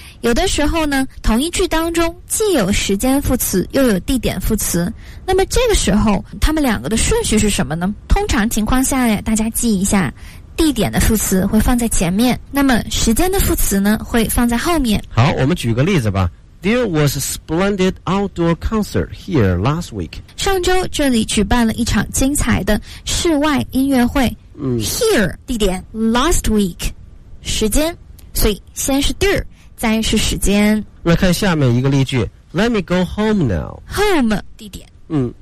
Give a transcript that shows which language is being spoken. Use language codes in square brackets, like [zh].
[zh] 有的时候呢，同一句当中既有时间副词又有地点副词，那么这个时候他们两个的顺序是什么呢？通常情况下呀，大家记一下，地点的副词会放在前面，那么时间的副词呢会放在后面。好，我们举个例子吧。 [en] There was a splendid outdoor concert here last week. [zh] 上周这里举办了一场精彩的室外音乐会、嗯、 Here 地点， last week 时间，所以先是 there 再是时间。来看下面一个例句， [en] Let me go home now. [zh] Home 地点、嗯、